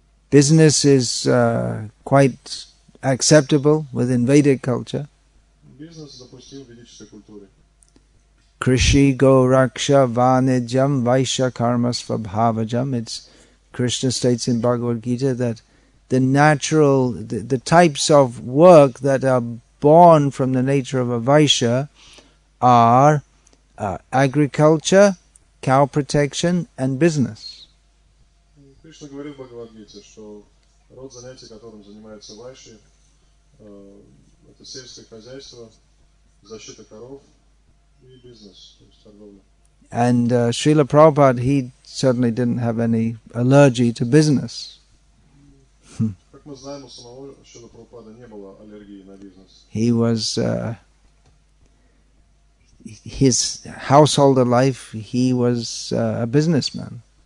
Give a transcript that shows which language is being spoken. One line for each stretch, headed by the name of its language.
English: Business is quite acceptable within Vedic culture.
Russian: Business допустим в ведической культуре.
Sanskrit: Krishi go raksha vanijam vaisha karmas vabhavajam.
English: It's Krishna states in Bhagavad Gita that the natural, the types of work that are born from the nature of a vaisha are agriculture, cow protection, and business.
Russian: Кришна говорит в Бхагавад-гите, что род занятий, которым занимаются вайши, это сельское хозяйство, защита коров и бизнес, то есть торговля.
English: And Srila Prabhupada, he certainly didn't have any allergy to business.
Russian: Как мы знаем, у самого Шрила Прабхупады не было аллергии на бизнес.
English: He was his householder life, he was a businessman.